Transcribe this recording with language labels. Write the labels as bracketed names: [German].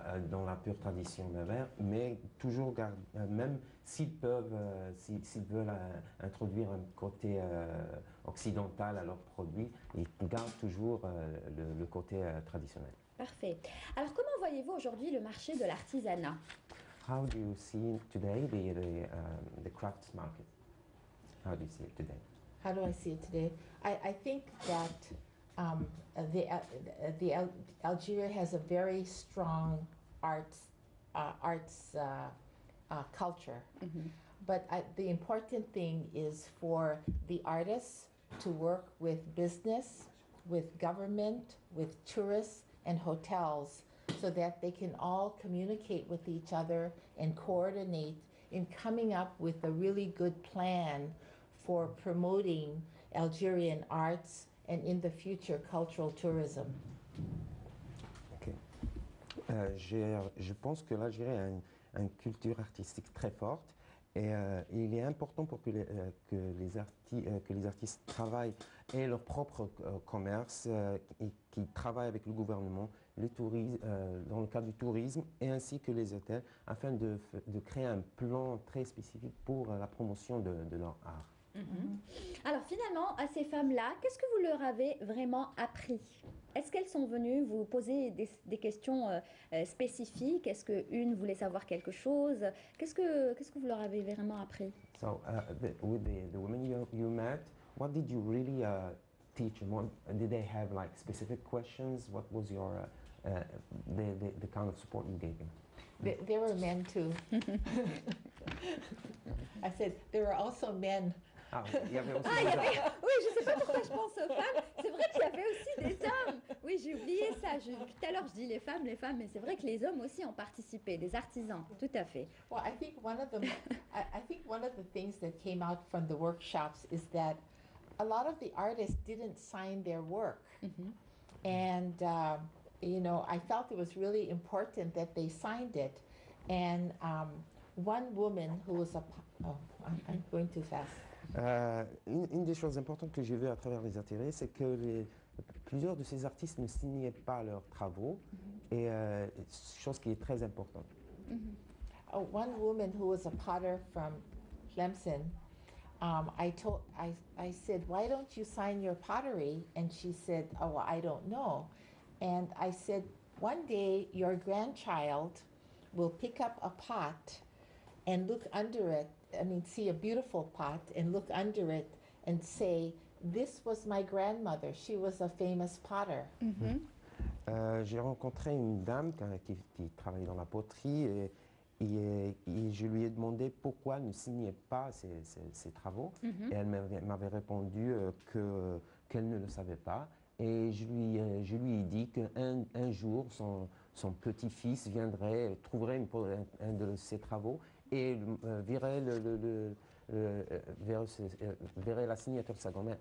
[French] Dans la pure tradition berbère, mais toujours même s'ils veulent introduire un côté occidental à leurs produits, ils gardent toujours le côté traditionnel. Parfait. Alors, comment voyez-vous aujourd'hui le marché de l'artisanat? [English] How do you see today the crafts market? How do you see it today? How do I see it today? I think that Algeria has a very strong arts culture, mm-hmm. but the important thing is for the artists to work with business, with government, with tourists and hotels, so that they can all communicate with each other and coordinate in coming up with a really good plan for promoting Algerian arts and in the future, cultural tourism. Okay. [French] Je pense que l'Algérie a une culture artistique très forte et il est important pour que les artistes travaillent et leur propre commerce et qu'ils travaillent avec le gouvernement, le tourisme, dans le cadre du tourisme et ainsi que les hôtels afin de créer un plan très spécifique pour la promotion de leur art. Mm-hmm. Alors finalement, à ces femmes-là, qu'est-ce que vous leur avez vraiment appris? Est-ce qu'elles sont venues vous poser des questions spécifiques? Est-ce qu'une voulait savoir quelque chose? Qu'est-ce que vous leur avez vraiment appris? [English] So, with the women you met, what did you really teach them? Did they have like specific questions? What was your the kind of support you gave them? There were men too. I said there were also men. [French] Il y avait aussi des hommes. Oui, je ne sais pas pourquoi je pense aux femmes. C'est vrai qu'il y avait aussi des hommes. Oui, j'ai oublié ça. Tout à l'heure, je dis les femmes, mais c'est vrai que les hommes aussi ont participé, des artisans, tout à fait. [English] Well, I think one of the things that came out from the workshops is that a lot of the artists didn't sign their work. Mm-hmm. And, you know, I felt it was really important that they signed it. And one woman who was a... Oh, I'm going too fast. [French] Une des choses importantes que j'ai vues à travers les ateliers, c'est que plusieurs de ces artistes ne signaient pas leurs travaux, mm-hmm. et chose qui est très importante. Mm-hmm. [English] Oh, one woman who was a potter from Clemson, I said, why don't you sign your pottery? And she said, oh, well, I don't know. And I said, one day your grandchild will pick up a pot and look under it, I mean, see a beautiful pot and look under it and say, this was my grandmother. She was a famous potter. Mm-hmm. [French] J'ai rencontré une dame qui travaillait dans la poterie et je lui ai demandé pourquoi elle ne signait pas ses travaux. Mm-hmm. Et elle m'avait répondu qu'elle ne le savait pas. Et je lui ai dit qu'un jour, son petit-fils viendrait, trouverait un de ses travaux et virait la signature de sa grand-mère.